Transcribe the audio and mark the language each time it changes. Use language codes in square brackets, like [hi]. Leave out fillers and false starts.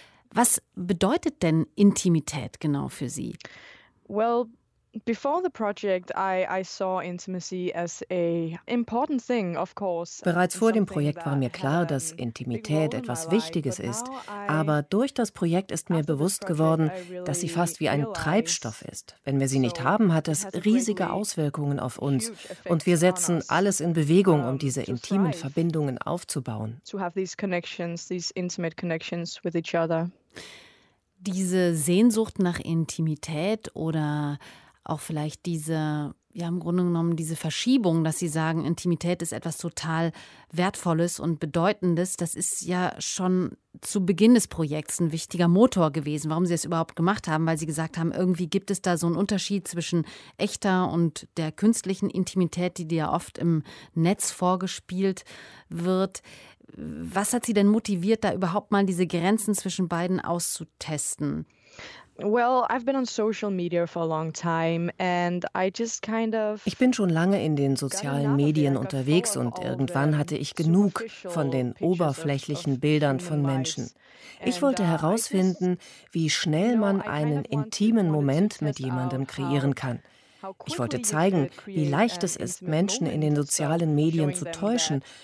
[de] Was bedeutet denn Intimität genau für Sie? [en] Well, before the project, I saw intimacy as a important thing, of course. [de] Bereits vor dem Projekt war mir klar, dass Intimität etwas Wichtiges ist. Aber durch das Projekt ist mir bewusst geworden, dass sie fast wie ein Treibstoff ist. Wenn wir sie nicht haben, hat das riesige Auswirkungen auf uns. Und wir setzen alles in Bewegung, um diese intimen Verbindungen aufzubauen. [en] To have these connections, these intimate connections with each other. [de] Diese Sehnsucht nach Intimität oder auch vielleicht diese, ja, im Grunde genommen diese Verschiebung, dass Sie sagen, Intimität ist etwas total Wertvolles und Bedeutendes, das ist ja schon zu Beginn des Projekts ein wichtiger Motor gewesen, warum Sie es überhaupt gemacht haben, weil Sie gesagt haben, irgendwie gibt es da so einen Unterschied zwischen echter und der künstlichen Intimität, die ja oft im Netz vorgespielt wird. Was hat Sie denn motiviert, da überhaupt mal diese Grenzen zwischen beiden auszutesten? [en] Well, I've been on social media for a long time and I just kind of. [de] Ich bin schon lange in den sozialen Medien unterwegs und irgendwann hatte ich genug von den oberflächlichen Bildern von Menschen. Ich wollte herausfinden, wie schnell man einen intimen Moment mit jemandem kreieren kann. Ich wollte zeigen, wie leicht es ist, Menschen in den sozialen Medien zu täuschen.